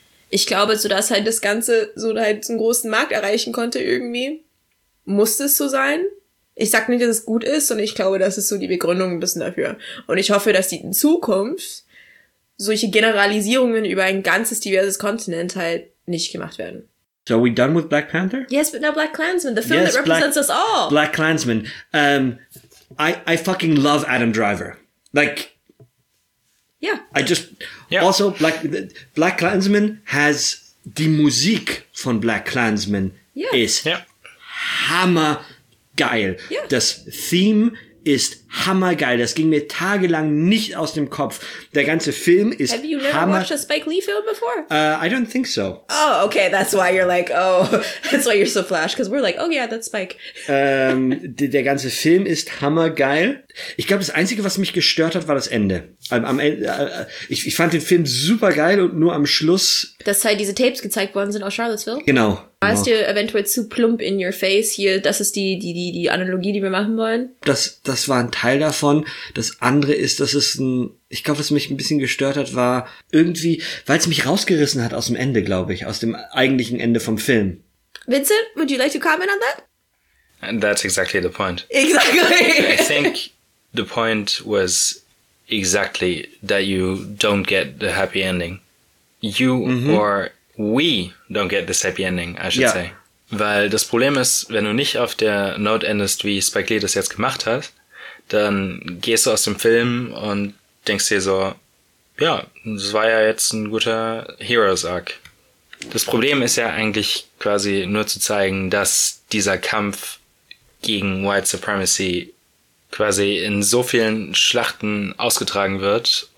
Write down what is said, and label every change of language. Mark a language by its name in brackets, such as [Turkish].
[German] Ich glaube, sodass halt das Ganze so halt einen großen Markt erreichen konnte irgendwie, musste es so sein. Ich sag nicht, dass es gut ist, sondern ich glaube, das ist so die Begründung ein bisschen dafür. Und ich hoffe, dass die in Zukunft solche Generalisierungen über ein ganzes diverses Kontinent halt nicht gemacht werden. [English] So are we done with Black Panther? Yes, but now Black Klansman, the film yes, that represents Black, us all. Black Klansman. I fucking love Adam Driver. Like, yeah. I just, yeah. Also, Black Klansman has, [German] die Musik von Black Klansman [English] yeah. [German] ist [English] yeah. [German] hammer geil. [English] Yeah. [German] Das Theme ist hammergeil. Das ging mir tagelang nicht aus dem Kopf. Der ganze Film ist hammer... [English] Have you never watched a Spike Lee film before? I don't think so. Oh, okay. That's why you're like, oh, that's why you're so flash. Because we're like, oh yeah, that's Spike. [German] Der ganze Film ist hammergeil. Ich glaube, das Einzige, was mich gestört hat, war das Ende. Ich fand den Film super geil und nur am Schluss... Dass halt diese Tapes gezeigt worden sind aus Charlottesville? Genau. Warst du eventuell zu plump [English] in your face [German] hier? Das ist die Analogie, die wir machen wollen. Das war ein Teil davon. Das andere ist, dass es ein... Ich glaube, was mich ein bisschen gestört hat, war irgendwie... Weil es mich rausgerissen hat aus dem Ende, glaube ich. Aus dem eigentlichen Ende vom Film. [English] Vincent, would you like to comment on that? And that's exactly the point. Exactly. I think the point was exactly that you don't get the happy ending. You mm-hmm. or we don't get this happy ending, I should say. [German] Weil das Problem ist, wenn du nicht auf der Note endest, wie Spike Lee das jetzt gemacht hat, dann gehst du aus dem Film und denkst dir so, ja, das war ja jetzt ein guter Heroes Arc. Das Problem ist ja eigentlich quasi nur zu zeigen, dass dieser Kampf gegen White Supremacy quasi in so vielen Schlachten ausgetragen wird.